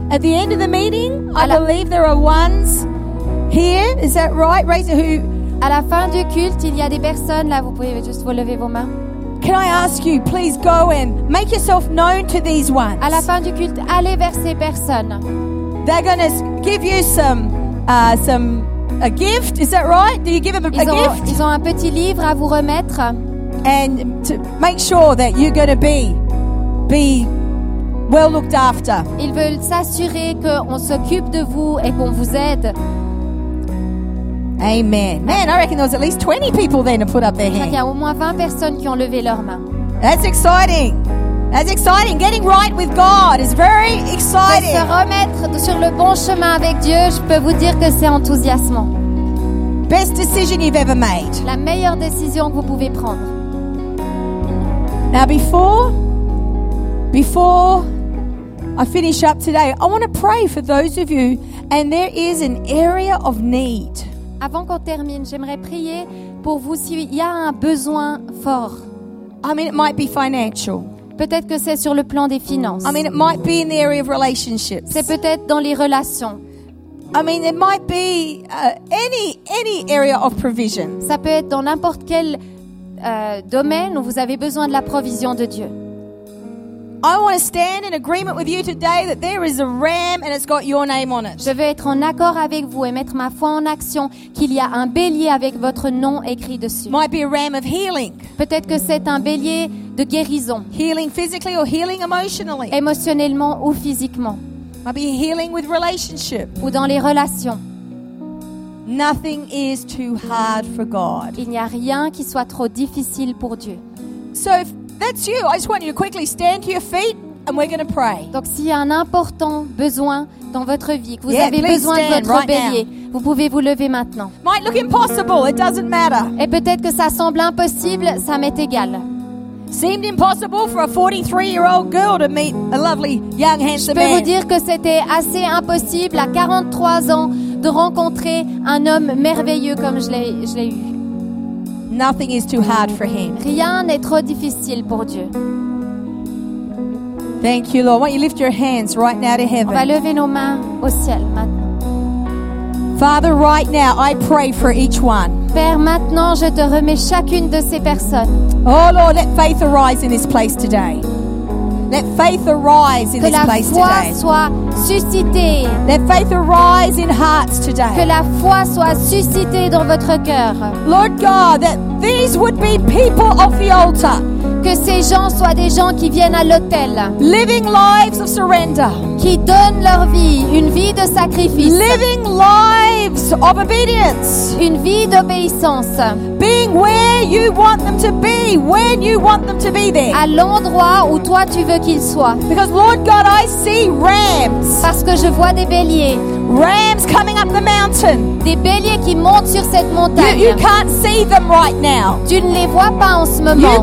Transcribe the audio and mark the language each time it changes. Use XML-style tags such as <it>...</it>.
<en>At the end of the meeting, I believe there are ones Here, is that right? Raise who?</en> <fr>À la fin du culte, il y a des personnes là. Vous pouvez juste vous lever vos mains.</fr> <en>Can I ask you, please go and make yourself known to these ones.</en> <fr>À la fin du culte, allez vers ces personnes.</fr> <en>They're going to give you a gift. Is that right? Do you give them a gift?</en> <fr>Ils ont un petit livre à vous remettre.</fr> <en>And to make sure that you're going to be well looked after.</en> <fr>Ils veulent s'assurer que on s'occupe de vous et qu'on vous aide.</fr> <en>Amen. Man, I reckon there was at least 20 people there to put up their hands.</en> <fr>Il y a au moins 20 personnes qui ont levé leurs mains.</fr> <en>That's exciting. That's exciting. Getting right with God is very exciting.</en> <fr>Se remettre sur le bon chemin avec Dieu, je peux vous dire que c'est enthousiasmant.</fr> <en>Best decision you've ever made.</en> <fr>La meilleure décision que vous pouvez prendre.</fr> <en>Now before I finish up today, I want to pray for those of you and there is an area of need.</en> <fr>Avant qu'on termine, j'aimerais prier pour vous s'il y a un besoin fort.</fr> <en>I mean, it might be financial.</en> <fr>Peut-être que c'est sur le plan des finances.</fr> <en>I mean, it might be in the area of relationships.</en> <fr>C'est peut-être dans les relations.</fr> <en>I mean, it might be any area of provision.</en> <fr>Ça peut être dans n'importe quel domaine où vous avez besoin de la provision de Dieu.</fr> <en>I want to stand in agreement with you today that there is a ram and it's got your name on it.</en> <fr>Je veux être en accord avec vous et mettre ma foi en action qu'il y a un bélier avec votre nom écrit dessus.</fr> <en>Might be a ram of healing.</en> <fr>Peut-être que c'est un bélier de guérison.</fr> <en>Healing physically or healing emotionally.</en> <fr>Émotionnellement ou physiquement.</fr> <en>Might be healing with relationship.</en> <fr>Ou dans les relations.</fr> <en>Nothing is too hard for God.</en> <fr>Il n'y a rien qui soit trop difficile pour Dieu.</fr> <en>So if that's you, I just want you to quickly stand to your feet and we're going to pray.</en> <fr>Donc s'il y a un important besoin dans votre vie, que vous avez besoin de votre bélier, vous pouvez vous lever maintenant.</fr> <en>Might look impossible, it doesn't matter.</en> <fr>Et peut-être que ça semble impossible, ça m'est égal.</fr> <en>Seemed impossible for a 43-year-old girl to meet a lovely young handsome man.</en> <fr>Je peux vous dire que c'était assez impossible à 43 ans de rencontrer un homme merveilleux comme je l'ai eu.</fr> <en>Nothing is too hard for him.</en> <fr>Rien n'est trop difficile pour Dieu.</fr> <en>Thank you, Lord. Why don't you lift your hands right now to heaven?</en> <fr>On va lever nos mains au ciel maintenant.</fr> <en>Father, right now, I pray for each one.</en> <fr>Père, maintenant, je te remets chacune de ces personnes.</fr> <en>Oh Lord, let faith arise in this place today. Let faith arise in this place today.</en> <fr>Que la foi soit suscitée.</fr> <en>Let faith arise in hearts today.</en> <fr>Que la foi soit suscitée dans votre cœur.</fr> <en>Lord God, that these would be people of the altar.</en> <fr>Que ces gens soient des gens qui viennent à l'autel.</fr> <en>Living lives of surrender.</en> <fr>Qui donnent leur vie, une vie de sacrifice.</fr> <en>Living lives of obedience.</en> <fr>Une vie d'obéissance.</fr> <en>Being where you want them to be, when you want them to be there.</en> <fr>À l'endroit où toi tu veux qu'ils soient.</fr> <en>Because Lord God, I see rams.</en> <fr>Parce que je vois des béliers.</fr> <en>Rams coming up the mountain.</en> <fr>Des béliers qui montent sur cette montagne.</fr> <en>You can't see them right now.</en> <fr>Tu ne les vois pas en ce moment.</fr>